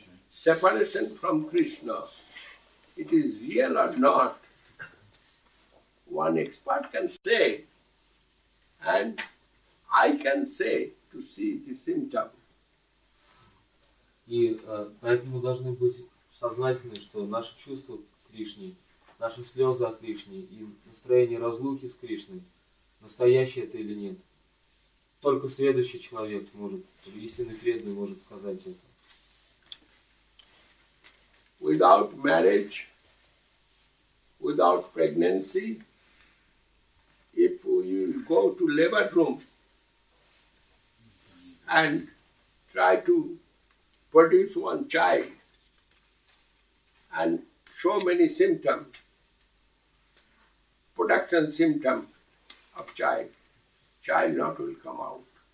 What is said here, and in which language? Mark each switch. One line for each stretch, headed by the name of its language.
English: separation from Krishna, it is real or not, one expert can say, and I can say to see the symptom.
Russian: И поэтому должны быть сознательны, что наши чувства к Кришне, наши слезы о Кришне и настроение разлуки с Кришной, настоящее это или нет, только следующий человек может, истинный преданный может сказать это.
English: Without marriage, without pregnancy, if you go to labor room and try to produce one child and show many symptoms, production symptom of child not will come out.